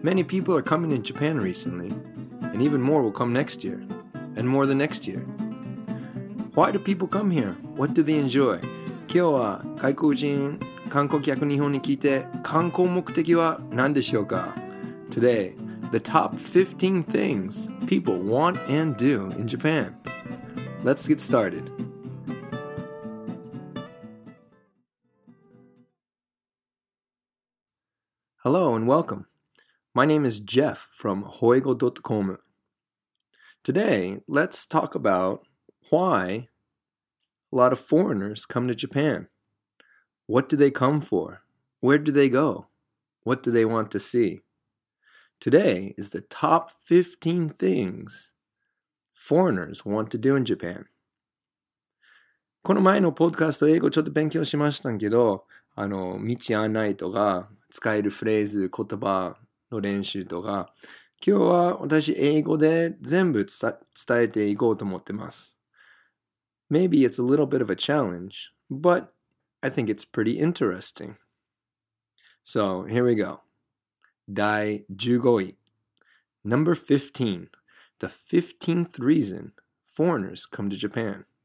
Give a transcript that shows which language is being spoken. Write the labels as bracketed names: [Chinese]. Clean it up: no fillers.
[English] Many people are coming to Japan recently, and even more will come next year, and more the next year. Why do people come here? What do they enjoy? [Japanese] 今日は外国人観光客日本に聞いて、観光目的は何でしょうか? [English] Today, the top 15 things people want and do in Japan. Let's get started. Hello and welcome. My name is Jeff from hoengo.com. Today, let's talk about why a lot of foreigners come to Japan. What do they come for? Where do they go? What do they want to see? Today is the top 15 things foreigners want to do in Japan. [Japanese] この前のポッドカスト英語ちょっと勉強しましたけど、道案内とか、使えるフレーズ、言葉の練習とか、今日は私英語で全部伝えていこうと思ってます。 [English] Maybe it's a little bit of a challenge, but I think it's pretty interesting. So, here we go. [Japanese] 第15位。 [English] Number 15. The 15th reason foreigners come to Japan.